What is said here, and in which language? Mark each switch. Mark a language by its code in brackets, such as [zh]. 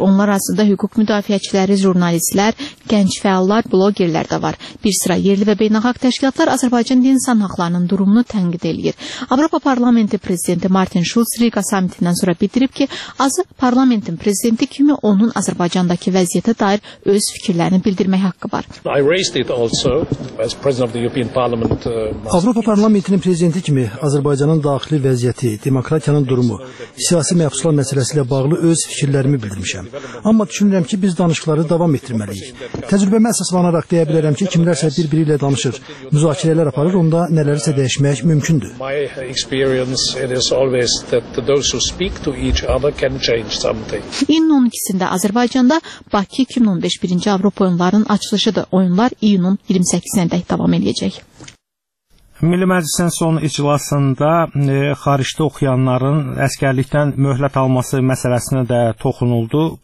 [az] Onlar arasında hüquq müdafiəçiləri, jurnalistlər, gənc fəallar, blogerlər də var. Bir sıra yerli və beynəlxalq təşkilatlar Azərbaycanda insan haqlarının durumunu tənqid edir. Avropa Parlamenti Prezidenti Martin Schulz Riga samitindən sonra bildirib ki, azı parlamentin prezidenti kimi onun Azərbaycandakı vəziyyətə dair öz fikirlərini bildirmək haqqı var. [en] I raised it also as president of the European Parliament. [az] Avropa Parlamentinin prezidenti kimi Azərbaycanın daxili vəziyyəti, demokratiyanın durumu, siyasi məhbuslar məsələsi ilə bağlı öz fikirlərimi bildirmişəm. Amma düşünürəm ki, biz danışıqları davam etdirməliyik. Təcrübəmə əsaslanaraq deyə bilərəm ki, kimlərsə bir-biri ilə danışır, müzakirələr aparır, onda nələrisə dəyişmək mümkündür. [en] My experience it is always that those who speak to each other can change something. [az] İyunun 12-sində Azərbaycanda Bakı 2015 birinci Avropa oyunlarının açılışıdır. Oyunlar iyunun 28-sinə dək davam edəcək. Milli Məclisin son iclasında xaricdə oxuyanların əskərlikdən möhlət alması məsələsinə də toxunuldu.